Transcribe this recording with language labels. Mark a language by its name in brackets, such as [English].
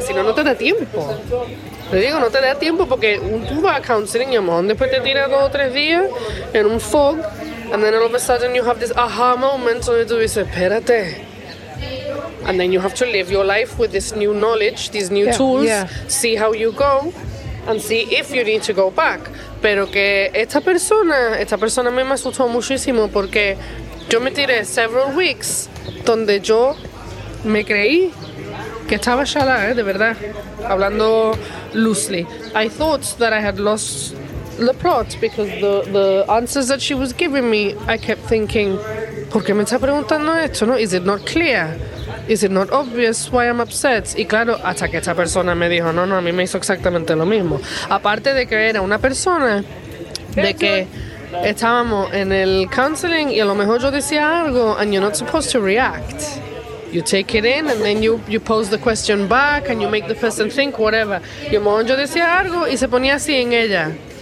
[Spanish] Si no, no te da tiempo. Te digo, no te da tiempo porque tú vas a counseling y a lo mejor después te tiras 2 o 3 días en un fog, [English] and then all of a sudden you have this aha moment [Spanish] donde tú dices, espérate. [English] And then you have to live your life with this new knowledge, these new tools, see how you go, and see if you need to go back. [Spanish] Pero que esta persona a mí me asustó muchísimo porque yo me tiré [English] several weeks [Spanish] donde yo me creí que estaba chala, de verdad, hablando loosely. [English] I thought that I had lost the plot because the answers that she was giving me, I kept thinking, [Spanish] ¿por qué me está preguntando esto? [English] ¿No? Is it not clear? Is it not obvious why I'm upset? [Spanish] Y claro, hasta que esta persona me dijo, no, a mí me hizo exactamente lo mismo. Aparte de que era una persona de que estábamos en el counseling y a lo mejor yo decía algo, [English] and you're not supposed to react. You take it in and then you pose the question back and you make the person think, whatever. [Spanish] Y a lo mejor yo decía algo y se ponía así en ella.